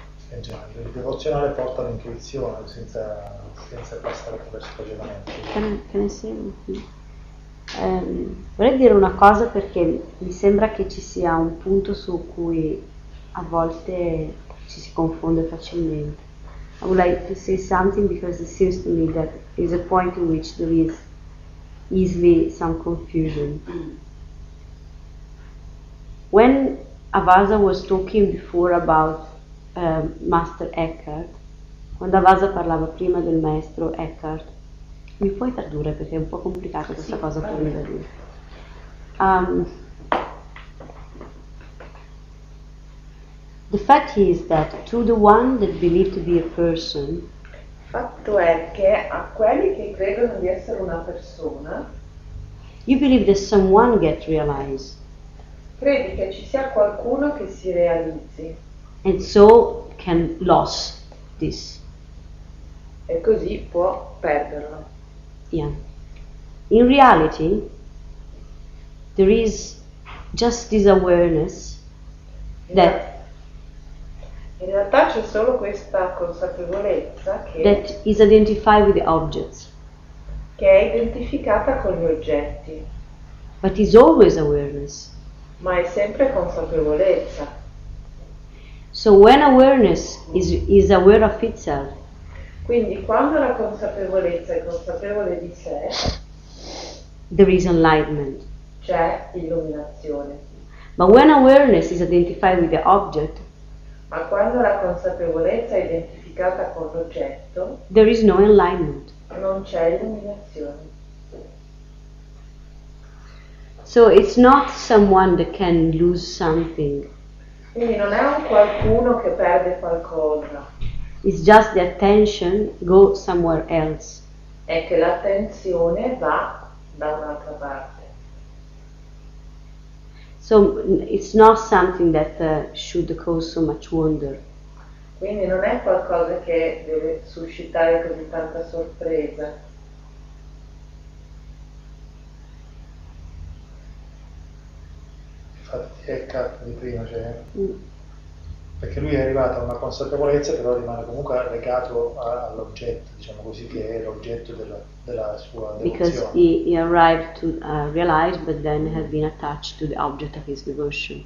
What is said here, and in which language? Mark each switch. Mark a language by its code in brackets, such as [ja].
[it] Il devozionale porta l'intuizione senza passare attraverso l'allevamento. [en] Can I say anything? [it] Vorrei dire una cosa perché mi sembra che ci sia un punto su cui a volte ci si confonde facilmente. [en] I would like to say something because it seems to me that is a point in which there is easily some confusion. When Avasa was talking before about Master Eckhart, [it] quando Avasa parlava prima del maestro Eckhart, mi puoi tradurre perché è un po' complicata questa sì, cosa per me da dire. [en] The fact is that to the one that believe to be a person, [it] fatto è che a quelli che credono di essere una persona, [en] you believe that someone get realized. [it] Credi che ci sia qualcuno che si realizzi. [en] And so can lose this. [it] E così può perderlo. [en] Yeah. In reality, there is just this awareness that. [it] In realtà c'è solo questa consapevolezza che [en] that is identified with the objects. [it] Che è identificata con gli oggetti. [en] But is always awareness. [it] Ma è sempre consapevolezza. [en] So when awareness is aware of itself. [it] Quindi quando la consapevolezza è consapevole di sé, [en] there is enlightenment. [it] C'è illuminazione. [en] Ma when awareness is identified with the object. [it] Ma quando la consapevolezza è identificata con l'oggetto, [en] there is no enlightenment. [it] Non c'è illuminazione. [en] So it's not someone that can lose something. [it] Quindi non è un qualcuno che perde qualcosa. [en] It's just the attention go somewhere else. [it] È che l'attenzione va da un'altra parte. [en] So it's not something that should cause so much wonder. [it] Quindi non è qualcosa che deve suscitare così tanta sorpresa. Infatti è il cap di prima, cioè. Perché lui è arrivato a una consapevolezza, però rimane comunque legato all'oggetto, diciamo così, che è l'oggetto della sua devozione. [en] Because he arrived to realize, but then had been attached to the object of his devotion.